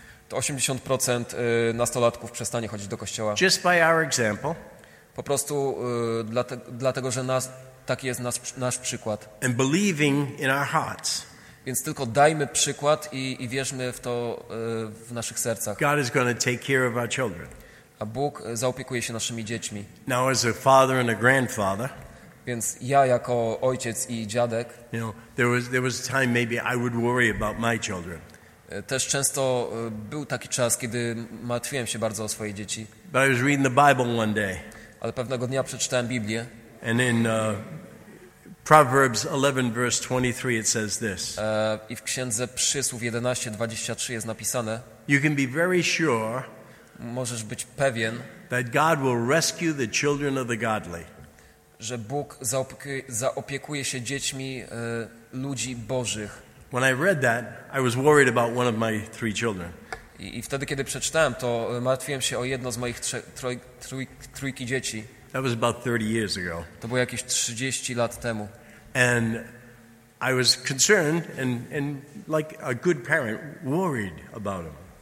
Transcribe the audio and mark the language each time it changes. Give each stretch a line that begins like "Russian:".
Polish: To 80% nastolatków przestanie chodzić do kościoła.
English: Just by our example.
Polish: Po prostu dlatego, że taki jest nasz przykład.
English: And believing in our hearts.
Polish: Więc tylko dajmy przykład i wierzmy w to w naszych sercach.
English: God is going to take care of our children.
Polish: A Bóg zaopiekuje się naszymi dziećmi.
English: Now as a father and a grandfather.
Polish: Więc ja jako ojciec i dziadek.
English: You know, there was a time maybe I would worry about my children.
Polish: Też często był taki czas, kiedy martwiłem się bardzo o swoje dzieci.
English: But I was reading the Bible one day.
Polish: Ale pewnego dnia przeczytałem Biblię.
English: And in Proverbs 11 verse 23 it says this.
Polish: I w Księdze Przysłów 11:23 jest napisane.
English: You can be very sure.
Polish: Możesz być pewien.
English: That God will rescue the children of the godly.
Polish: Że Bóg zaopiekuje się dziećmi ludzi Bożych.
English: When I read that, I was worried about one of my three children.
Polish: I wtedy, kiedy przeczytałem to, martwiłem się o jedno z moich trójki dzieci.
English: That was about 30 years ago.
Polish: To było jakieś 30 lat temu.
English: And I was concerned and like a good parent, worried about him.